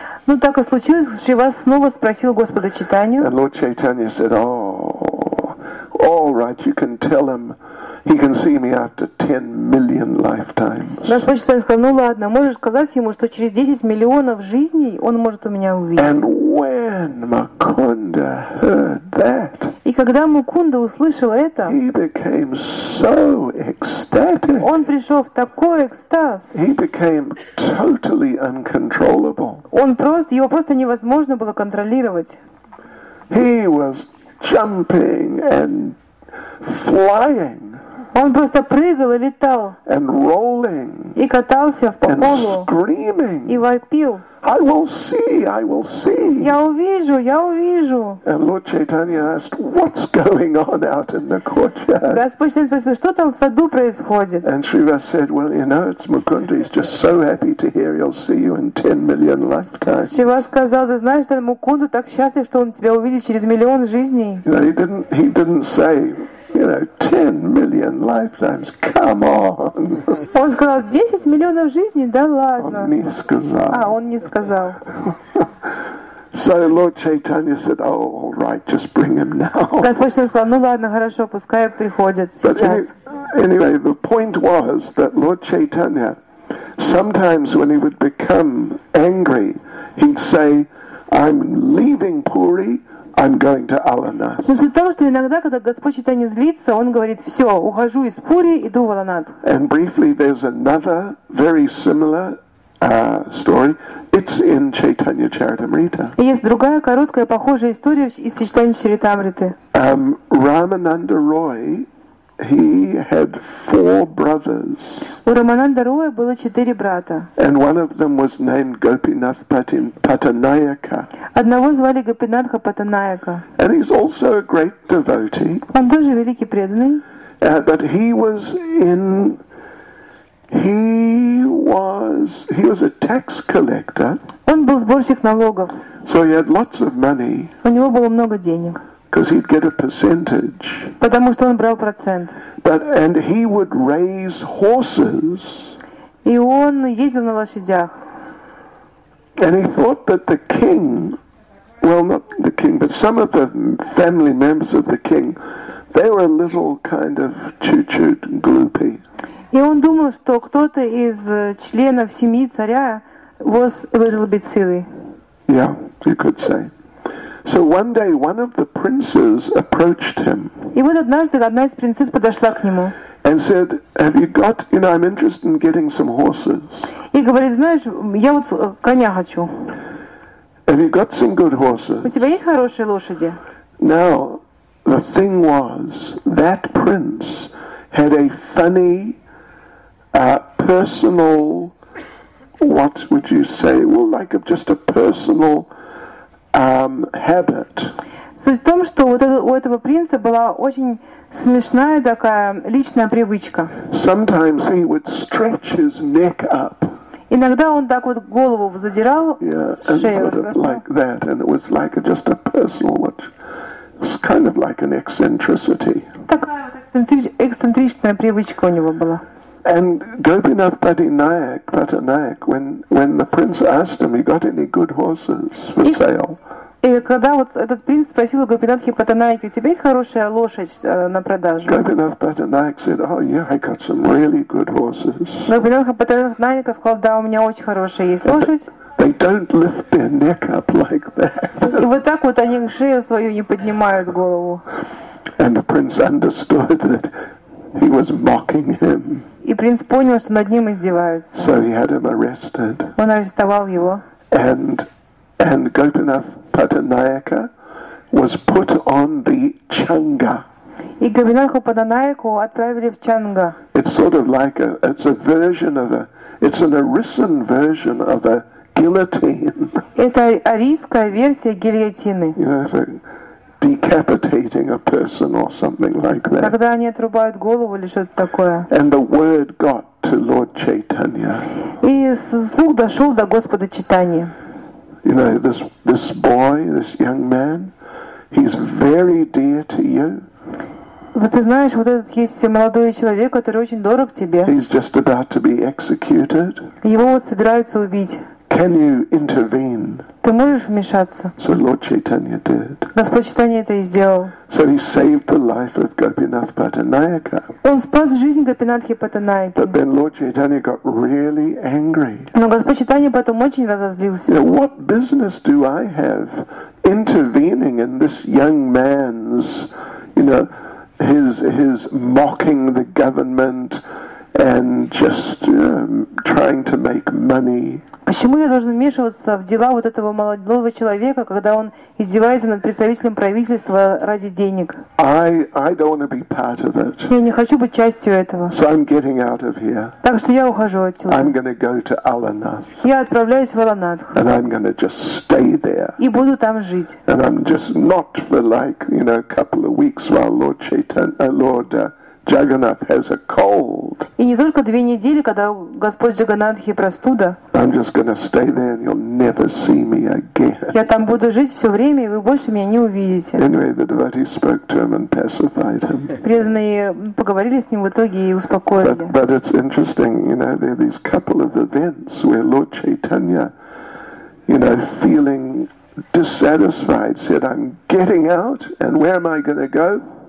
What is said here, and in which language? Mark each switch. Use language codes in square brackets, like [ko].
[ru] Ну так и случилось, Шривас снова спросил Господа Чайтанью. [en] And Lord Chaitanya said, all right, you can tell him he can see me after 10 million lifetimes. [ru] Господь Чайтанья сказал, ну ладно, можешь сказать ему, что через 10 миллионов жизней он может у меня увидеть. [en] And when Mukunda heard that, [ru] и когда Мукунда услышал это, [en] he became so ecstatic. [ru] Он пришел в такой экстаз. [en] He became totally uncontrollable. [ru] Его просто невозможно было контролировать. [en] He was jumping and flying. [ru] Он просто прыгал и летал. [en] And rolling. [ru] И катался по полу. [en] And screaming. [ru] И вопил. [en] I will see, I will see. [ru] Я увижу, я увижу. [en] And Lord Chaitanya asked, what's going on out in the courtyard? [ru] Господь Чайтанья спросил, что там в саду происходит? [en] And Shrivas said, well, you know, it's Mukunda. He's just so happy to hear he'll see you in 10 million lifetimes. [ru] Шривас сказал, ты знаешь, что Мукунда так счастлив, что он тебя увидит через миллион жизней. [en] You know, he didn't say, you know, 10 million lifetimes. Come on. [ru] Он сказал, 10 миллионов жизней, да ладно. Он не сказал. А он не сказал. [en] So Lord Chaitanya said, "Oh, all right, just bring him now." [ru] Господь Чайтанья сказал, ну ладно, хорошо, пускай приходит сейчас. [en] Anyway, the point was that Lord Chaitanya, sometimes when he would become angry, he'd say, "I'm leaving Puri. I'm going to Аланат." [ru] Но из-за того, что иногда, когда Господь Чайтанья злится, он говорит, "Все, ухожу из Пури, иду в Аланат." [en] And briefly, there's another very similar story. It's in Chaitanya Charitamrita. [ru] Есть другая короткая похожая история из Чайтанья Чаритамриты. [en] Рамананда Рой, he had four brothers. [ru] У Рамананда Роя было четыре брата. [en] And one of them was named Gopinath Patanayaka. [ru] Одного звали Гопинатха Патанаяка. [en] And he's also a great devotee. [ru] Он тоже великий преданный. [en] But he was in He was a tax collector. [ru] Он был сборщик налогов. [en] So he had lots of money. [ru] У него было много денег. [en] Because he'd get a percentage. [ru] Потому что он брал процент. [en] But and he would raise horses. [ru] И он ездил на лошадях. [en] And he thought that the king, well, not the king, but some of the family members of the king, they were a little kind of choo-chooed and gloopy. [ru] И он думал, что кто-то из членов семьи царя [en] was a little bit silly. Yeah, you could say. So one day one of the princes approached him. [ru] И вот однажды одна из принцесс подошла к нему. [en] And said, "Have you got? You know, I'm interested in getting some horses." [ru] И говорит, знаешь, я вот коня хочу. [en] Have you got some good horses? [ru] У тебя есть хорошие лошади? [en] Now, the thing was that prince had a funny personal, what would you say? Well, like a, just a personal habit. [ru] Суть в том, что у этого принца была очень смешная такая личная привычка. [en] Sometimes he would stretch his neck up. [ru] Иногда он так вот голову задирал, шею. [en] Yeah, like that, and it was like a, just a personal, what, it's kind of like an eccentricity. [ru] Такая вот эксцентричная привычка у него была. [en] And Gopinath Patanayak, when the prince asked him, he got any good horses for sale? [ru] И когда вот этот принц спросил у Гопинатхи Патанайки, у тебя есть хорошая лошадь на продажу? [en] Гопинат Патанайка said, oh yeah, I got some really good horses. [ru] Гопинатха Патанайка сказал, да, у меня очень хорошая есть лошадь. [en] They don't lift their neck up like that. [ru] И вот так вот они шею свою не поднимают голову. [en] And the prince understood that he was mocking him. [ru] И принц понял, что над ним издеваются. [en] So he had him arrested. [ru] Он арестовал его. [en] And Gopinath Patanayaka was put on the changa. [ru] И Гопинатху Патанайку отправили в чанга. [en] It's sort of like an Orissan version of a guillotine. [ru] Это арийская версия гильотины. [en] Decapitating a person or something like that. [ru] Когда они отрубают голову или что-то такое. [en] And the word got to Lord Chaitanya. [ru] И слух дошел до Господа Читания. [en] You know, this boy, this young man, he's very dear to you. [ru] Вот ты знаешь, вот этот есть молодой человек, который очень дорог тебе. [en] He's just about to be executed. [ru] Его вот собираются убить. [en] Can you intervene? [ru] Ты можешь вмешаться? [en] So Lord Chaitanya did. [ru] Господь Читания это и сделал. [en] So he saved the life of Gopinath Patanayaka. [ru] Он спас жизнь Гопинатхи Патанайки. [en] But then Lord Chaitanya got really angry. [ru] Но Господь Читания потом очень разозлился. [en] Now what business do I have intervening in this young man's, you know, his mocking the government and just trying to make money? [ru] Почему я должен вмешиваться в дела вот этого молодого человека, когда он издевается над представителем правительства ради денег? [en] I don't want to be part of it. [ru] Я не хочу быть частью этого. [en] So I'm getting out of here. [ru] Так что я ухожу отсюда. [en] I'm going to go to Alanath. [ru] Я отправляюсь в Аланатху. [en] And I'm going to just stay there. [ru] И буду там жить. [en] And I'm just not for like, you know, a couple of weeks while Lord Chaitanya, Lord Jagannath has a cold. [ru] И не только две недели, когда Господь Джаганнатхи простуда. [en] I'm just going to stay there, and you'll never see me again. [ru] Я там буду жить все время, и вы больше меня не увидите. [en] Anyway, the devotee spoke to him and pacified him. [ru] Преданные поговорили с ним в итоге и успокоили. [en] But it's interesting, you know, there are these couple of events where Lord Chaitanya, you know, feeling dissatisfied, said, "I'm getting out, and where am I going to go?"